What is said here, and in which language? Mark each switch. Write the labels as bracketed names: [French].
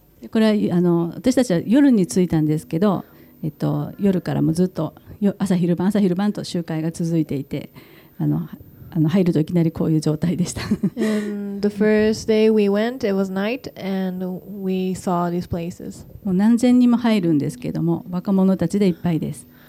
[Japanese] これは私たちは夜に着いたんですけど、夜からもずっと朝昼晩と集会が続いていて、入るといきなりこういう状態でした。 [English] And the first day we went, it was night, and we saw these places. [Japanese] もう何千人も入るんですけども、若者たちでいっぱいです。